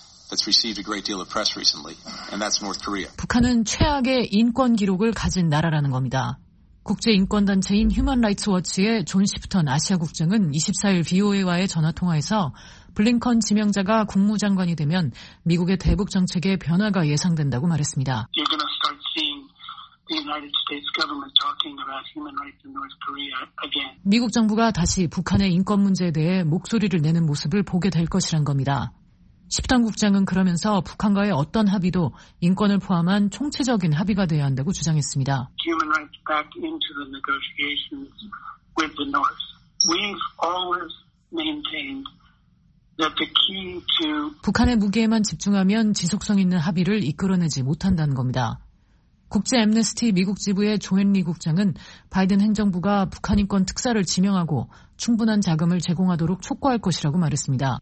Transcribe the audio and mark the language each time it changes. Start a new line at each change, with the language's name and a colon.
English: That's received a great deal of press recently, and that's North Korea.
Korean: 북한은 최악의 인권 기록을 가진 나라라는 겁니다. 국제인권단체인 휴먼 라이츠 워치의 존 시프턴 아시아 국장은 24일 VOA와의 전화통화에서 블링컨 지명자가 국무장관이 되면 미국의 대북 정책에 변화가 예상된다고 말했습니다.
English: You're going to start seeing the United States government talking about human rights in North Korea again.
Korean: 미국 정부가 다시 북한의 인권 문제에 대해 목소리를 내는 모습을 보게 될 것이란 겁니다. 시프턴 국장은 그러면서 북한과의 어떤 합의도 인권을 포함한 총체적인 합의가 되어야 한다고 주장했습니다.
English: Human rights back into the negotiations with the North. We've always maintained that the key to
Korean: 북한의 무게에만 집중하면 지속성 있는 합의를 이끌어내지 못한다는 겁니다. 국제 앰네스티 미국 지부의 조앤리 국장은 바이든 행정부가 북한 인권 특사를 지명하고 충분한 자금을 제공하도록 촉구할 것이라고 말했습니다.